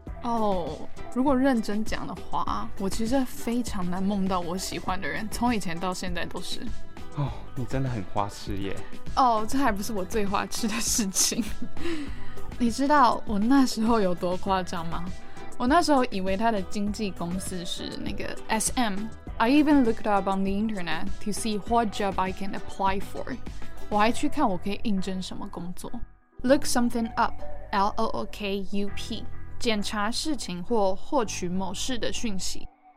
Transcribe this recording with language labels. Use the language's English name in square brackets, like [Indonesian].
[Chinese] 哦，如果认真讲的话，我其实非常难梦到我喜欢的人，从以前到现在都是。哦，你真的很花痴耶。哦，这还不是我最花痴的事情。你知道我那时候有多夸张吗？我那时候以为他的经纪公司是那个 SM。 [English] I even looked up on the internet to see what job I can apply for. [Chinese] 我还去看我可以应征什么工作。 [English] Look something up, L-O-O-K-U-P. [Chinese] 检查事情或获取某事的讯息。